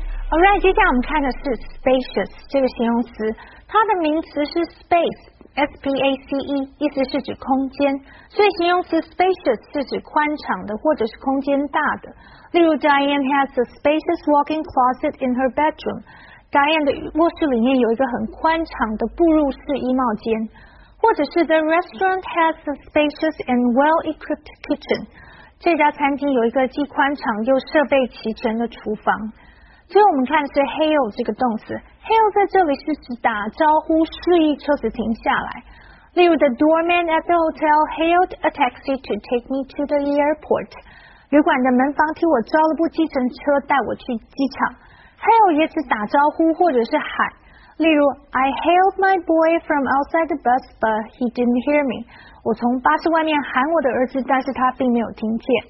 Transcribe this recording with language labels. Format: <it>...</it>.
<en>Alright,</en> <zh>接下来我们看的是 spacious 这个形容词，它的名词是 space, S-P-A-C-E, 意思是指空间，所以形容词 spacious 是指宽敞的或者是空间大的。例如</zh> <en>Diane has a spacious walk-in closet in her bedroom.</en> <zh>Diane 的卧室里面有一个很宽敞的步入式衣帽间，或者是</zh> <en>The restaurant has a spacious and well-equipped kitchen.</en> <zh>这家餐厅有一个既宽敞又设备齐全的厨房。所以我们看的是 hail 这个动词， hail 在这里是指打招呼示意车子停下来。例如</zh> <en>the doorman at the hotel hailed a taxi to take me to the airport，</en> <zh>旅馆的门房替我招了部计程车带我去机场。</zh> <en>hail</en> <zh>也指打招呼或者是喊，例如</zh> <en>I hailed my boy from outside the bus but he didn't hear me，</en> <zh>我从巴士外面喊我的儿子但是他并没有听见。</zh>